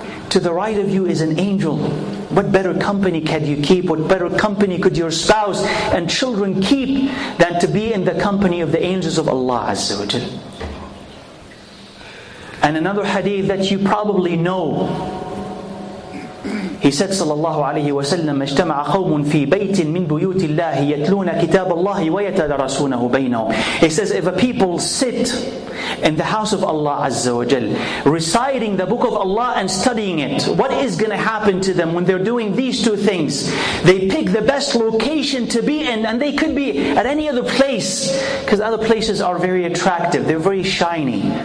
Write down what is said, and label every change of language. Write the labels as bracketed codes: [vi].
[en] To the right of you is an angel. What better company can you keep? What better company could your spouse and children keep than to be in the company of the angels of Allah Azza wa Jal? And another hadith that you probably know. He said sallallahu alayhi wa sallam, [ar] اجْتَمَعَ قَوْمٌ فِي بَيْتٍ مِّن بُيُوتِ اللَّهِ يَتْلُونَ كِتَابَ اللَّهِ وَيَتَدَرَسُونَهُ بَيْنَهُمْ. [en] He says, if a people sit in the house of Allah Azza wa Jal, reciting the book of Allah and studying it, what is going to happen to them when they're doing these two things? They pick the best location to be in, and they could be at any other place, because other places are very attractive, they're very shiny.